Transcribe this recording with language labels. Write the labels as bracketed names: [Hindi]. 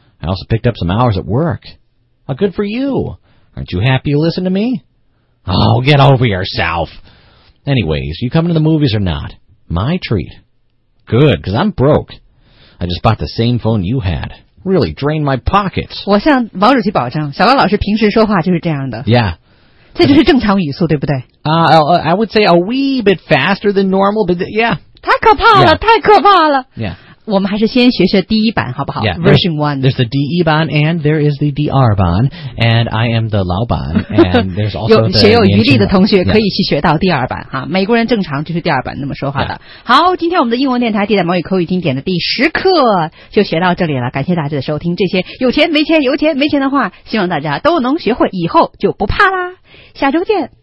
[English] I also picked up some hours at work. How good for you. Aren't you happy you listened to me? Oh, get over yourself. Anyways, you coming to the movies or not? My treat. Good, because I'm broke. I just bought the same phone you had. Really drained my pockets. [Chinese] 我向毛主席保证，小高老师平时说话就是这样的。 [English] Yeah. [Chinese] 这就是正常语速，对不对？ [English] I would say a wee bit faster than normal, but yeah. [Chinese] 太可怕了，太可怕了。 [English] Yeah. [Chinese] 我们还是先学学第一版好不好 [English] yeah, Version 1 There's the 第一版 And there is the 第二版 And I am the 老版 And there's also [Chinese] 有学有余力的同学可以去学到第二版、yeah. 啊、美国人正常就是第二版那么说话的、 [English] yeah. [Chinese] 好今天我们的英文电台地道美语口语经典的第十课就学到这里了感谢大家的收听这些有钱没钱有钱没钱的话希望大家都能学会以后就不怕啦下周见